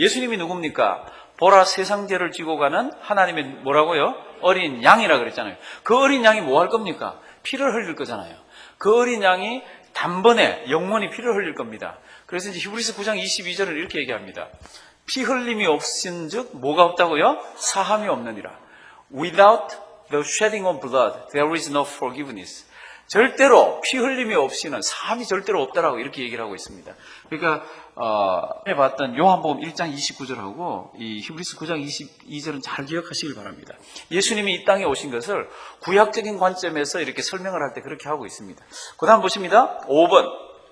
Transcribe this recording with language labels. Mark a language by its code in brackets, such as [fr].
[ko] 예수님이 누굽니까? 보라, 세상 죄를 지고 가는 하나님의 뭐라고요? 어린 양이라 그랬잖아요. 그 어린 양이 뭐 할 겁니까? 피를 흘릴 거잖아요. 그 어린 양이 단번에 영원히 피를 흘릴 겁니다. 그래서 이제 히브리서 9장 22절을 이렇게 얘기합니다. 피 흘림이 없은즉 뭐가 없다고요? 사함이 없느니라. [en] Without the shedding of blood, there is no forgiveness. [ko] 절대로 피 흘림이 없이는 사함이 절대로 없다라고 이렇게 얘기를 하고 있습니다. 그러니까 해봤던 요한복음 1장 29절하고 이 히브리서 9장 22절은 잘 기억하시길 바랍니다. 예수님이 이 땅에 오신 것을 구약적인 관점에서 이렇게 설명을 할 때 그렇게 하고 있습니다. 그 다음 보십니다. 5번.